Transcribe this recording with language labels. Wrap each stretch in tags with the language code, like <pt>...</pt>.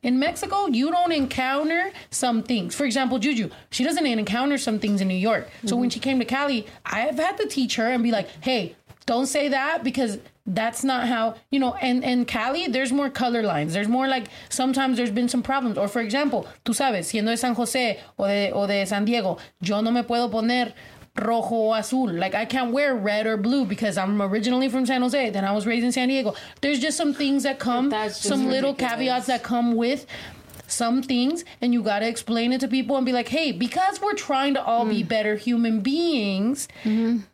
<en>In Mexico, you don't encounter some things. For example, Juju, she doesn't encounter some things in New York. Mm-hmm. So when she came to Cali, I've had to teach her and be like, hey, don't say that because that's not how, you know, and Cali, there's more color lines. There's more like sometimes there's been some problems. Or for example,</en> <es>tú sabes, siendo de San José o de San Diego, yo no me puedo poner rojo o azul.</es> <en>Like I can't wear red or blue because I'm originally from San Jose. Then I was raised in San Diego. There's just some things that come, some ridiculous. Little caveats that come with some things. And you got to explain it to people and be like, hey, because we're trying to all be better human beings. Mm-hmm.</en>